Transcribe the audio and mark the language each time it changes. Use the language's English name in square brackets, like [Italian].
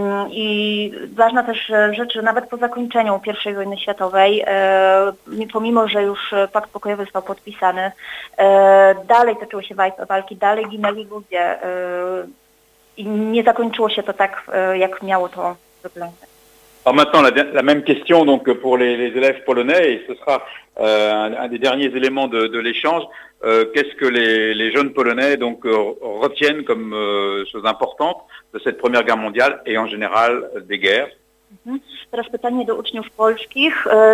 [Polish] I ważna też rzecz, że nawet po zakończeniu I wojny światowej, pomimo że już pakt pokojowy został podpisany, dalej toczyły się walki, dalej ginęli ludzie i nie zakończyło się to tak, jak miało to wyglądać. [French] Alors maintenant, la même question donc pour les élèves polonais, et ce sera un des derniers éléments de l'échange, qu'est-ce que les jeunes polonais donc retiennent comme chose importante de cette Première Guerre mondiale et en général des guerres? [Polish] Teraz pytanie do uczniów polskich.